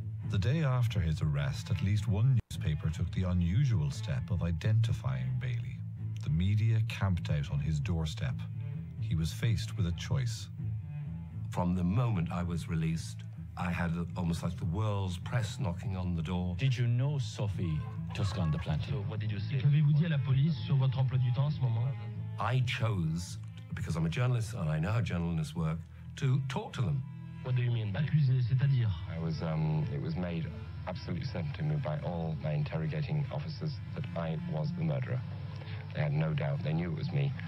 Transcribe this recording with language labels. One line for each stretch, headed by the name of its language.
English: The day after his arrest, at least one newspaper took the unusual step of identifying Bailey. The media camped out on his doorstep. He was faced with a choice. From the moment I was released, I had almost like the world's press knocking on the door. Did you know Sophie Toscan du Plantier? So what did you say?
French: Qu'avez-vous dit à la police sur votre emploi du temps en ce moment?
English: I chose, because I'm a journalist and I know how journalists work, to talk to them. What do you mean by
French: accusé, c'est-à-dire?
English: It was made absolutely certain to me by all my interrogating officers that I was the murderer. They had no doubt, they knew it was me.